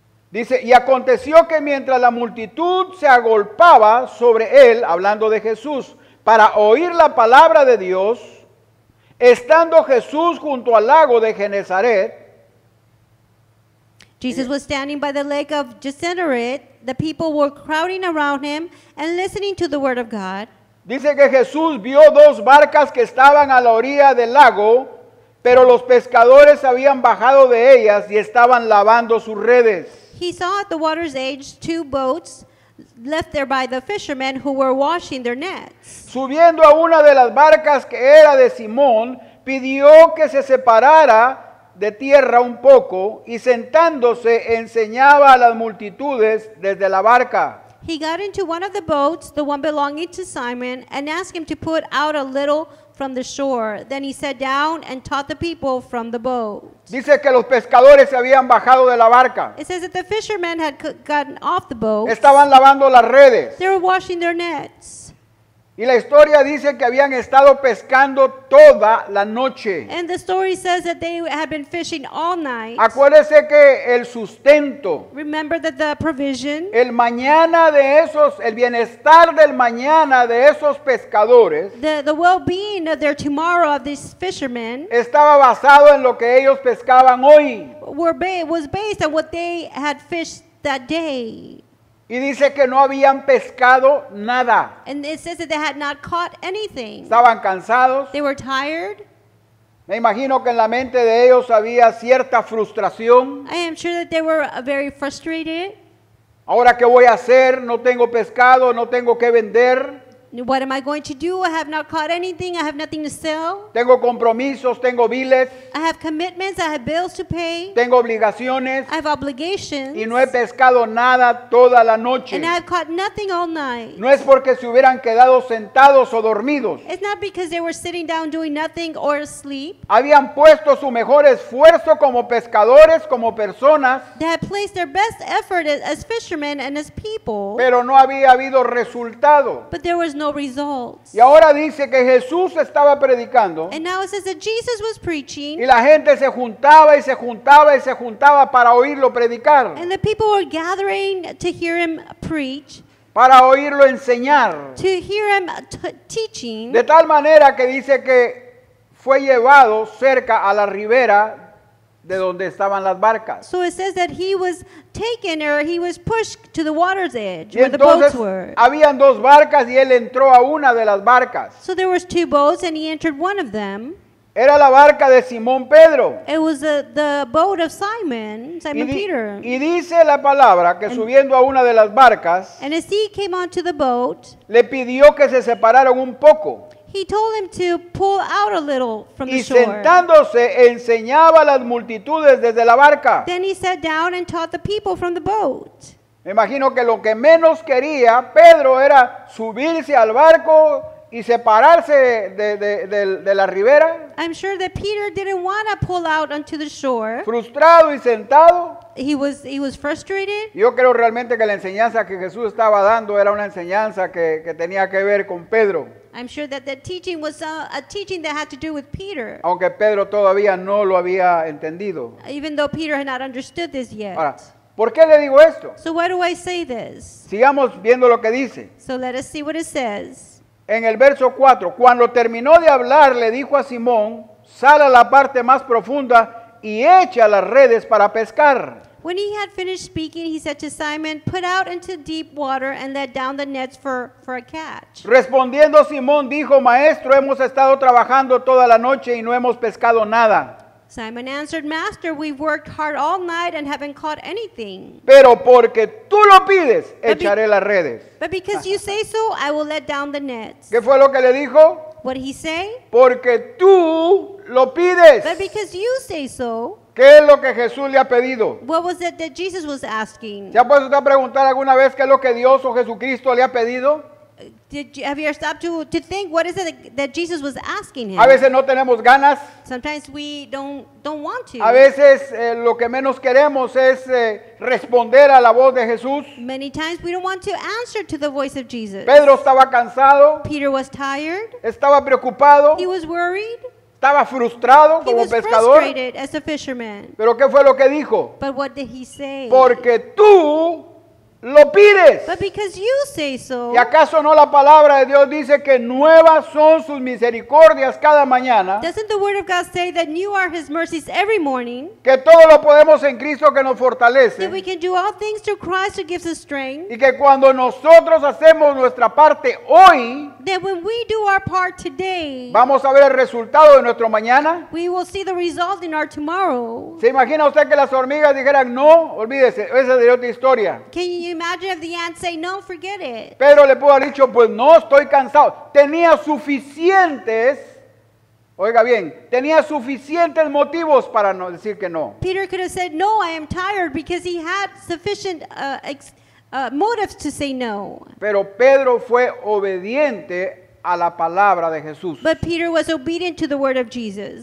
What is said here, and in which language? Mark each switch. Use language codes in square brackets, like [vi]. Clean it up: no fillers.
[es] Dice, y aconteció que mientras la multitud se agolpaba sobre él, hablando de Jesús, para oír la palabra de Dios, estando Jesús junto al lago de Genezaret. [en] Jesus was standing by the lake of Genezaret. The people were crowding around him and listening to the word of God. [es] Dice que Jesús vio dos barcas que estaban a la orilla del lago, pero los pescadores habían bajado de ellas y estaban lavando sus redes. [en] He saw at the water's edge two boats left there by the fishermen who were washing their nets. [es] Subiendo a una de las barcas que era de Simón, pidió que se separara de tierra un poco y sentándose enseñaba a las multitudes desde la barca. [en] He got into one of the boats, the one belonging to Simon, and asked him to put out a little from the shore. Then he sat down and taught the people from the boat. [es] Dice que los pescadores se habían bajado de la barca. [en] It says that the fishermen had gotten off the boat. [es] Estaban lavando las redes. [en] They were washing their nets. [es] Y la historia dice que habían estado pescando toda la noche. [en] And the story says that they had been fishing all night. [es] Acuérdese que el sustento. [en] Remember that the provision. [es] El mañana de esos, el bienestar del mañana de esos pescadores. [en] The well-being of their tomorrow of these fishermen. [es] Estaba basado en lo que ellos pescaban hoy. [en] Was based on what they had fished that day. [es] Y dice que no habían pescado nada. [en] And it says that they had not caught anything. [es] Estaban cansados. [en] They were tired. [es] Me imagino que en la mente de ellos había cierta frustración. [en] I am sure that they were very frustrated. [es] Ahora, ¿qué voy a hacer? No tengo pescado, no tengo que vender. [en] What am I going to do? I have not caught anything. I have nothing to sell. [es] Tengo compromisos, tengo biles. [en] I have commitments. I have bills to pay. [es] Tengo obligaciones. [en] I have obligations. [es] Y no he pescado nada toda la noche. [en] And I have caught nothing all night. [es] No es porque se hubieran quedado sentados o dormidos. [en] It's not because they were sitting down doing nothing or asleep. [es] Habían puesto su mejor esfuerzo como pescadores, como personas. [en] They had placed their best effort as fishermen and as people. [es] Pero no había habido resultado. [en] But there was no results. [es] Y ahora dice que Jesús estaba predicando. [en] And now it says that Jesus was preaching. [es] Y la gente se juntaba y se juntaba y se juntaba para oírlo predicar. [en] And the people were gathering to hear him preach. [es] Para oírlo enseñar. [en] To hear him teaching. [es] De tal manera que dice que fue llevado cerca a la ribera de donde estaban las barcas. [en] So it says that he was taken, or he was pushed to the water's edge, where the boats were. [es] Habían dos barcas y él entró a una de las barcas. [en] So there was two boats and he entered one of them. [es] Era la barca de Simón Pedro. [en] It was the boat of Simon Peter. [es] Y dice la palabra que subiendo a una de las barcas, [en] and as he came onto the boat, [es] le pidió que se separaran un poco. [en] He told him to pull out a little from the shore. [es] Y sentándose enseñaba a las multitudes desde la barca. [en] Then he sat down and taught the people from the boat. [es] Me imagino que lo que menos quería Pedro era subirse al barco y separarse de la ribera. [en] I'm sure that Peter didn't want to pull out onto the shore. [es] Frustrado y sentado. [en] He was frustrated. [es] Yo creo realmente que la enseñanza que Jesús estaba dando era una enseñanza que tenía que ver con Pedro. [en] I'm sure that the teaching was a teaching that had to do with Peter. [es] Aunque Pedro todavía no lo había entendido. [en] Even though Peter had not understood this yet. [es] Ahora, ¿por qué le digo esto? [en] So why do I say this? [es] Sigamos viendo lo que dice. [en] So let us see what it says. [es] En el verso 4, cuando terminó de hablar, le dijo a Simón, sal a la parte más profunda y echa las redes para pescar. [en] When he had finished speaking, he said to Simon, put out into deep water and let down the nets for a catch. [es] Respondiendo Simón, dijo, maestro, hemos estado trabajando toda la noche y no hemos pescado nada. [en] Simon answered, master, we've worked hard all night and haven't caught anything. [es] Pero porque tú lo pides, echaré las redes. [en] But because you say so, I will let down the nets. [es] ¿Qué fue lo que le dijo? [en] What did he say? [es] Porque tú lo pides. [en] But because you say so. [es] ¿Qué es lo que Jesús le ha pedido? [en] What was it that Jesus was asking? [es] ¿Se ha puesto a preguntar alguna vez qué es lo que Dios o Jesucristo le ha pedido? [en] Have you ever stopped to think what is it that Jesus was asking him? [es] A veces no tenemos ganas. [en] Sometimes we don't want to. [es] A veces lo que menos queremos es responder a la voz de Jesús. [en] Many times we don't want to answer to the voice of Jesus. [es] Pedro estaba cansado. [en] Peter was tired. [es] Estaba preocupado. [en] He was worried. [es] Estaba frustrado como pescador. [en] He was frustrated as a fisherman. [es] Pero ¿qué fue lo que dijo? [en] But what did he say? [es] Porque tú lo pides. [en] But because you say so. [es] ¿Y acaso no la palabra de Dios dice que nuevas son sus misericordias cada mañana? [en] Doesn't the word of God say that new are his mercies every morning? [es] Que todo lo podemos en Cristo que nos fortalece. [en] That we can do all things through Christ who gives us strength. [es] Y que cuando nosotros hacemos nuestra parte hoy, [en] that when we do our part today, [es] vamos a ver el resultado de nuestro mañana. [en] We will see the result in our tomorrow. [es] ¿Se imagina usted que las hormigas dijeran no? Olvídese, esa sería otra historia. [en] Can you imagine if the ants say no, forget it? [es] Pedro le pudo haber dicho, pues no, estoy cansado. Tenía suficientes, oiga bien, tenía suficientes motivos para no decir que no. [en] Peter could have said, no, I am tired, because he had sufficient motives to say no. [es] Pero Pedro fue obediente a la palabra de Jesús. [en] But Peter was obedient to the word of Jesus.